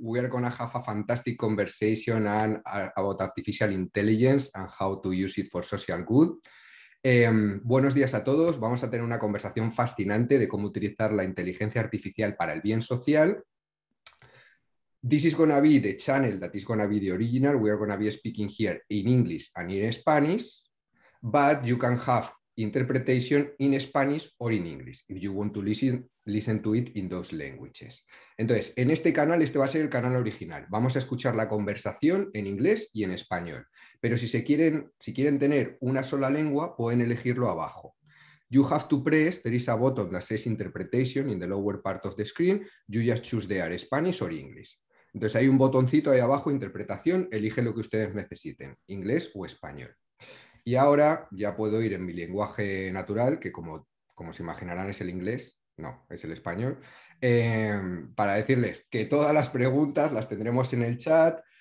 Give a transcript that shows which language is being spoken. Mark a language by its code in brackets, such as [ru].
[en] We are going to have a fantastic conversation and about artificial intelligence and how to use it for social good. [es] Buenos días a todos. Vamos a tener una conversación fascinante de cómo utilizar la inteligencia artificial para el bien social. [en] This is going to be the channel that is going to be the original. We are going to be speaking here in English and in Spanish, but you can have interpretation in Spanish or in English, if you want to listen to it in those languages. [es] Entonces, en este canal, este va a ser el canal original. Vamos a escuchar la conversación en inglés y en español. Pero si quieren tener una sola lengua, pueden elegirlo abajo. [en] You have to press, there is a button that says interpretation in the lower part of the screen. You just choose there, Spanish or English. [es] Entonces, hay un botoncito ahí abajo, interpretación, elige lo que ustedes necesiten, inglés o español. Y ahora ya puedo ir en mi lenguaje natural, que como se imaginarán es el inglés, no, es el español, para decirles que todas las preguntas las tendremos en el chat.